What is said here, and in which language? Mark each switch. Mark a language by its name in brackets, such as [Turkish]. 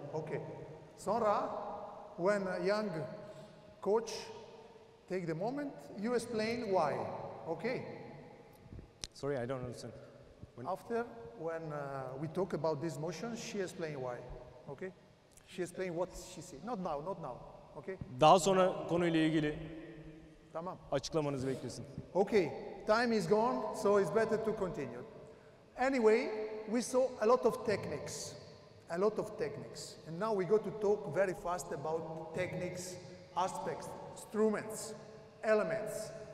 [English] Okay, [Turkish] Sonra, [English] when a young coach take the moment, you explain why. Okay. Sorry, I don't understand. When we talk about this motion, she explain why. Okay. She explained what she said. Not now. Okay. [Turkish] Daha sonra konuyla ilgili. Tamam. Açıklamanızı beklesin. [English] Okay. Time is gone, so it's better to continue. Anyway, we saw a lot of techniques. And now we go to talk very fast about techniques, aspects, instruments, elements.